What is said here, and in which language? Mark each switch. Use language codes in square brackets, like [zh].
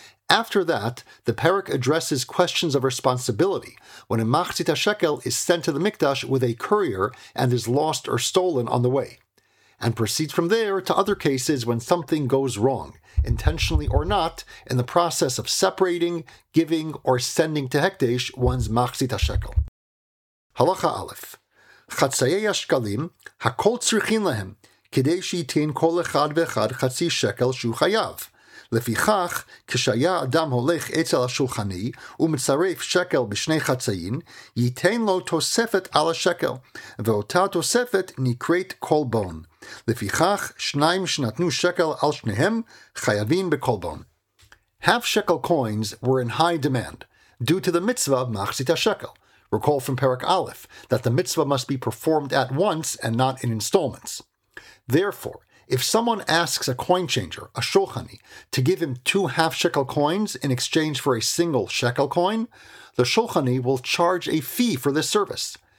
[en] After that, the perek addresses questions of responsibility when a machatzita shekel is sent to the mikdash with a courier and is lost or stolen on the way, and proceeds from there to other cases when something goes wrong, intentionally or not, in the process of separating, giving, or sending to Hekdesh one's machatzita shekel. Halacha Aleph. [he] Chatzayei ha-shkalim, hakol tzrichin lehem, כדי שייתן כל אחד ואחד חצי שקל שהוא חייב. לפיכך, כשהיה אדם הולך אצל השולחני ומצרף שקל בשני חצאים, ייתן לו תוספת על השקל, ואותה תוספת נקראת קולבון. לפיכך, שניים שנתנו שקל על שניהם חייבים בקולבון. [en] Half shekel coins were in high demand, due to the mitzvah of מחצית השקל. Recall from Perek Aleph that the mitzvah must be performed at once and not in installments. Therefore, if someone asks a coin changer, a shulchani, to give him two half-shekel coins in exchange for a single shekel coin, the shulchani will charge a fee for this service.